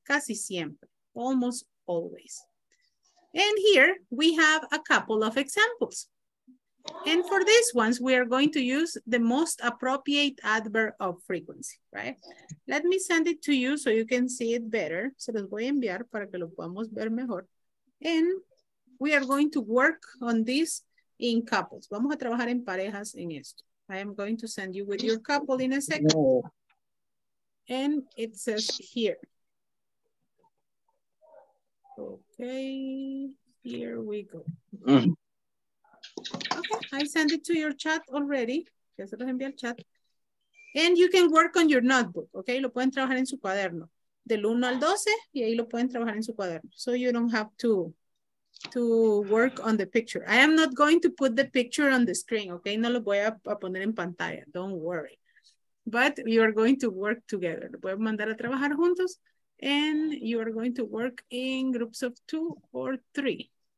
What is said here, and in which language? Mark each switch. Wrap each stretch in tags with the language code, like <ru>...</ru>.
<es>Casi siempre,</es> <en>almost always. And here we have a couple of examples. And for these ones, we are going to use the most appropriate adverb of frequency, right? Let me send it to you so you can see it better.</en> <es>Se los voy a enviar para que lo podamos ver mejor.</es> <en>And we are going to work on this in couples.</en> <es>Vamos a trabajar en parejas en esto.</es> <en>I am going to send you with your couple in a second. And it says here. Okay, here we go. Okay, I sent it to your chat already.</en> <es>Ya se los envié al chat.</es> <en>And you can work on your notebook, okay?</en> <es>Lo pueden trabajar en su cuaderno. Del 1 al 12, y ahí lo pueden trabajar en su cuaderno.</es> <en>So you don't have to work on the picture. I am not going to put the picture on the screen, okay?</en> <es>No lo voy a poner en pantalla,</es> <en>don't worry. But you are going to work together.</en> <es>Lo pueden mandar a trabajar juntos.</es> <en>And you are going to work in groups of 2 or 3.</en>